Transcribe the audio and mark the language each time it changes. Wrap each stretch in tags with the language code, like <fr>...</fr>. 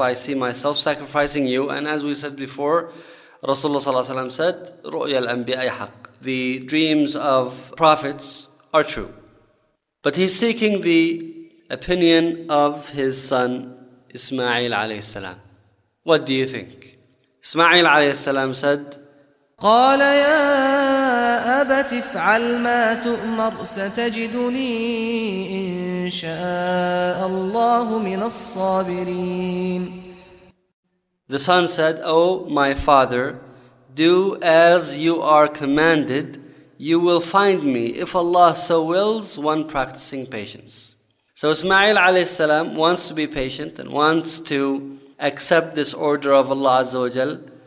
<en>I see myself sacrificing you. And as we said before, Rasulullah sallallahu alayhi wa said,</en> <ar>رُؤْيَ الْأَنْبِيَاءِ حَقِّ.</ar> <en>The dreams of prophets are true. But he's seeking the opinion of his son Ismail alayhi salam. What do you think? Ismail alayhi salam said,</en> <ar>قال يا أبت افعل ما تؤمر ستجدني إن شاء الله من الصابرين.</ar> <en>The son said, O my father, do as you are commanded, you will find me, if Allah so wills, one practicing patience. So Ismail alayhi salam wants to be patient and wants to accept this order of Allah Azza wa Jal.</en>